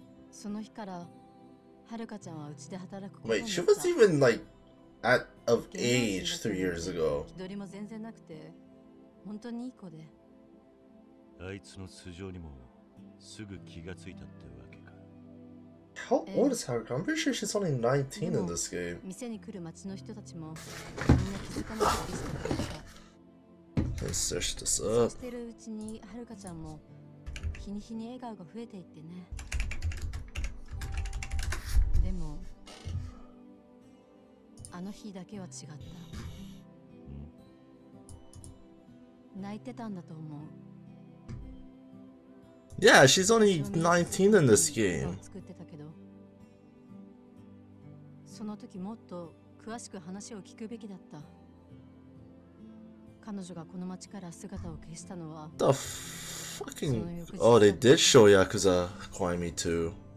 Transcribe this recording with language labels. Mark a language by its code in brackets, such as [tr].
[ja] その日から、はるかちゃんはうちで働くことになった。 [en] Wait, she was even like at of age 3 years ago. [ja] 気取りも全然なくて、本当にいい子で。あいつの素性にもすぐ気がついたってわけか。 [en] How old is Haruka? I'm pretty sure she's only 19 in this game. [ja] 店に来る街の人たちもみんな気づかないです。 [en] Let's search this up. [ja] そうしてるうちにはるかちゃんも日に日に笑顔が増えていってね。でもあの日だけは違った。泣いてたんだと思う。 [en] Yeah, she's only 19 in this game. [ja] 作ってたけど、その時もっと詳しく話を聞くべきだった。彼女がこの町から姿を消したのは、 [en] The fucking Oh, they did show Yakuza Koyami too.